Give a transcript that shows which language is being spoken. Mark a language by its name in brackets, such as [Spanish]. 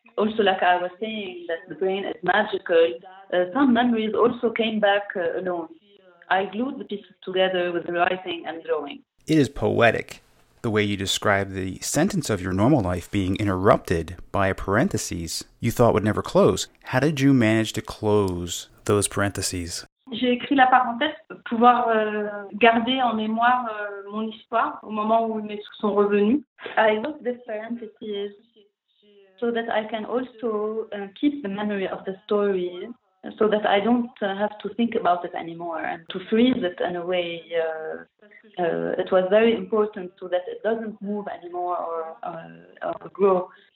[English] Also, like I was saying, that the brain is magical, some memories also came back alone. I glued the pieces together with writing and drawing. It is poetic, the way you describe the sentence of your normal life being interrupted by a parenthesis you thought would never close. How did you manage to close those parentheses? [French] J'ai écrit la parenthèse pour pouvoir garder en mémoire mon histoire au moment où mes sources sont revenues. [English] I wrote this parenthesis so that I can also keep the memory of the story, so that I don't have to think about it anymore and to freeze it in a way. It was very important so that it doesn't move anymore or grow.